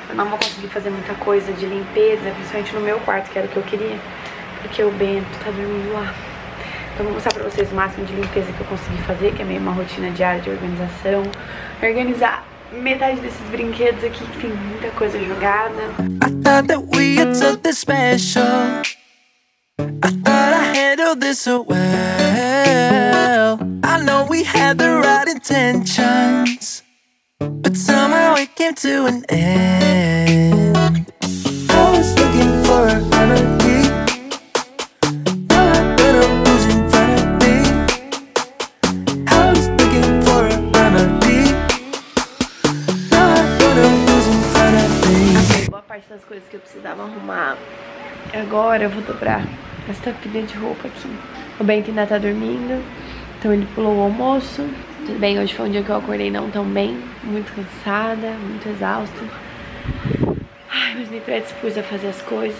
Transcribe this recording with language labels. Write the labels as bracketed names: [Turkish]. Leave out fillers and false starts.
[Portuguese] Eu não vou conseguir fazer muita coisa de limpeza, principalmente no meu quarto, que era o que eu queria, porque o Bento tá dormindo lá. Então vou mostrar pra vocês o máximo de limpeza que eu consegui fazer, que é meio uma rotina diária de organização. Organizar metade desses brinquedos aqui, que tem muita coisa jogada. [English] I thought that we had something special. I thought I handled this so well. I know we had the right intentions. But somehow it came to an end. I was looking for a remedy. Now I've been a bruise in front of me. I was looking for a remedy. Now I've been a bruise in front of me. [Portuguese] Boa parte das coisas que eu precisava arrumar. Agora eu vou dobrar essa pilha de roupa aqui. O Bento ainda tá dormindo. Então ele pulou o almoço. Tudo bem, hoje foi um dia que eu acordei não tão bem. Muito cansada, muito exausta. Ai, mas me predispus a fazer as coisas.